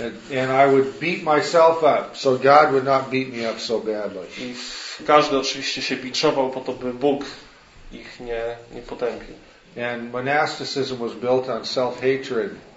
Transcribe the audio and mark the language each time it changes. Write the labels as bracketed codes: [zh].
[en] And I would beat myself up, so God would not beat me up so badly. [pl] I każdy oczywiście się biczował po to, by Bóg ich nie potępił. [en] And monasticism was built on self-hatred.